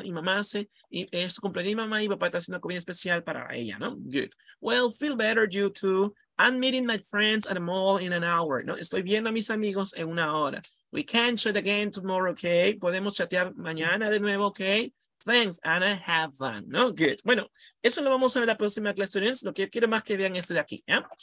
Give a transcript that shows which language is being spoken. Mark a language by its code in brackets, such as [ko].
[es] Y mamá hace, y es cumpleaños de mi mamá y papá está haciendo comida especial para ella, ¿no? [en] Good. Well, feel better, you too. I'm meeting my friends at the mall in an hour. [es] ¿No? Estoy viendo a mis amigos en una hora. [en] We can chat again tomorrow, okay? [es] Podemos chatear mañana de nuevo, [en] okay? Thanks, Anna. Have fun. ¿No? Good. [es] Bueno, eso lo vamos a ver la próxima clase, students. Lo que yo quiero más que vean es de aquí, ¿ya?